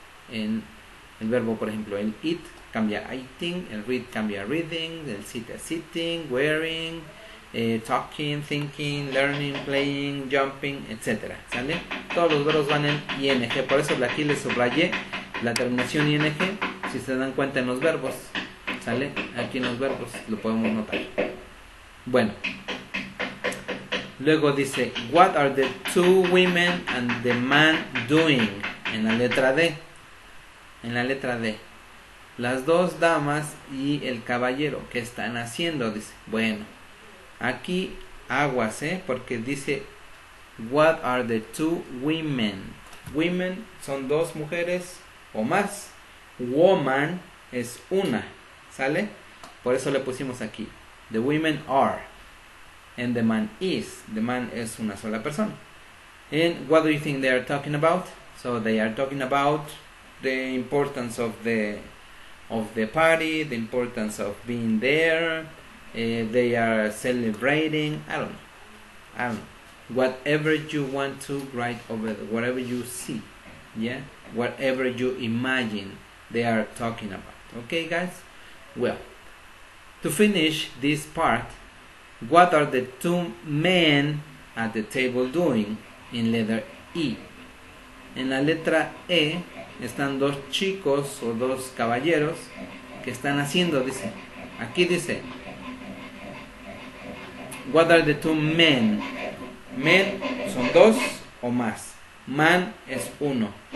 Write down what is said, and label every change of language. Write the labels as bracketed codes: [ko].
[es] En el verbo, por ejemplo, el it cambia a eating, el read cambia a reading, el sit a sitting, wearing, talking, thinking, learning, playing, jumping, etcétera. ¿Sale? Todos los verbos van en ing, por eso aquí les subrayé la terminación ing, si se dan cuenta en los verbos, ¿sale? Aquí en los verbos lo podemos notar. Bueno, luego dice: [en] What are the two women and the man doing? [es] En la letra D. En la letra D. Las dos damas y el caballero, ¿qué están haciendo? Dice. Bueno, aquí aguas, porque dice: [en] What are the two women? [es] Women son dos mujeres o más. Woman es una, ¿sale? Por eso le pusimos aquí: [en] The women are. And the man is. [es] The man es una sola persona. [en] And what do you think they are talking about? So they are talking about the importance of the party, the importance of being there. They are celebrating. I don't know. I don't know. Whatever you want to write over there, whatever you see. Yeah? Whatever you imagine they are talking about. Okay, guys? Well, to finish this part, what are the two men at the table doing in letter E? [es] En la letra E están dos chicos o dos caballeros que están haciendo, dice. Aquí dice: [en] What are the two men? [es] Men son dos o más. Man es uno.